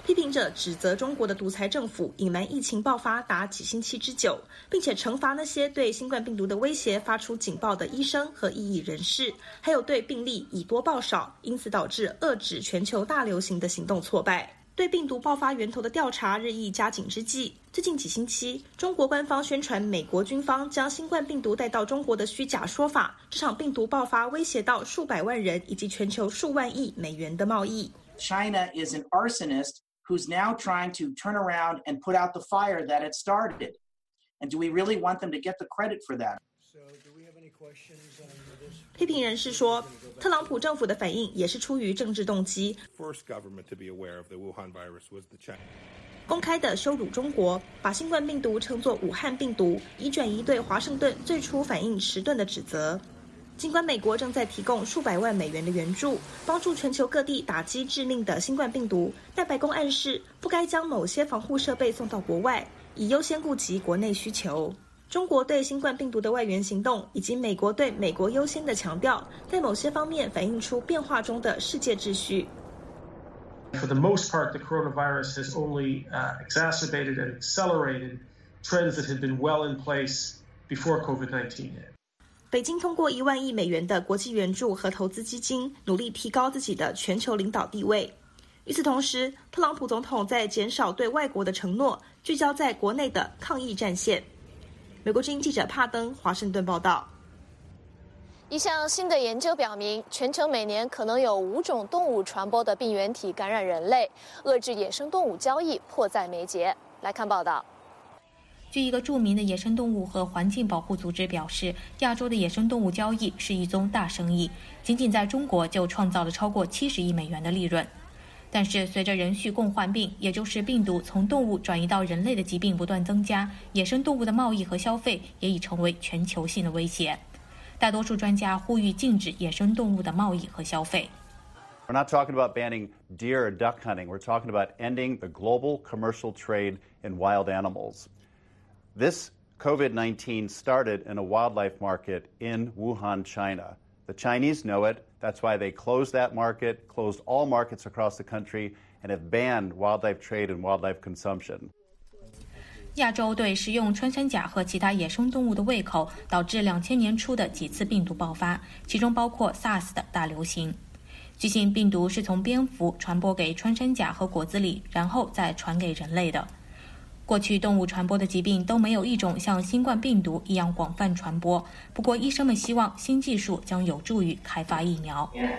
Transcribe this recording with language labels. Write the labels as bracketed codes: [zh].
[zh] 批评者指责中国的独裁政府隐瞒疫情爆发达几星期之久，并且惩罚那些对新冠病毒的威胁发出警报的医生和异议人士，还有对病例以多报少，因此导致遏止全球大流行的行动挫败。对病毒爆发源头的调查日益加紧之际，最近几星期，中国官方宣传美国军方将新冠病毒带到中国的虚假说法，这场病毒爆发威胁到数百万人以及全球数万亿美元的贸易。 [en] China is an arsonist who's now trying to turn around and put out the fire that it started. And do we really want them to get the credit for that? So do we have any questions on this? [zh] 批评人士说，特朗普政府的反应也是出于政治动机。公开的羞辱中国，把新冠病毒称作武汉病毒，以转移对华盛顿最初反应迟钝的指责。尽管美国正在提供数百万美元的援助，帮助全球各地打击致命的新冠病毒，但白宫暗示不该将某些防护设备送到国外，以优先顾及国内需求。中国对新冠病毒的外援行动以及美国对美国优先的强调，在某些方面反映出变化中的世界秩序。 [en] For the most part, the coronavirus has only exacerbated and accelerated trends that had been well in place before COVID-19. [zh] 北京通过$10,000,000,000的国际援助和投资基金，努力提高自己的全球领导地位。与此同时，特朗普总统在减少对外国的承诺，聚焦在国内的抗疫战线。美国之音记者帕登华盛顿报道。一项新的研究表明，全球每年可能有5种动物传播的病原体感染人类，遏制野生动物交易迫在眉睫。来看报道。据一个著名的野生动物和环境保护组织表示，亚洲的野生动物交易是一宗大生意，仅仅在中国就创造了超过70亿美元的利润。但是随着人畜共患病，也就是病毒从动物转移到人类的疾病不断增加，野生动物的贸易和消费也已成为全球性的威胁。大多数专家呼吁禁止野生动物的贸易和消费。 [en] We're not talking about banning deer and duck hunting. We're talking about ending the global commercial trade in wild animals. This COVID-19 started in a wildlife market in Wuhan, China. The Chinese know it. That's why they closed that market, closed all markets across the country, and have banned wildlife trade and wildlife consumption. [zh] 亚洲对食用穿山甲和其他野生动物的胃口，导致2000年初的几次病毒爆发，其中包括 SARS 的大流行。据信病毒是从蝙蝠传播给穿山甲和果子狸，然后再传给人类的。过去动物传播的疾病都没有一种像新冠病毒一样广泛传播，不过医生们希望新技术将有助于开发疫苗。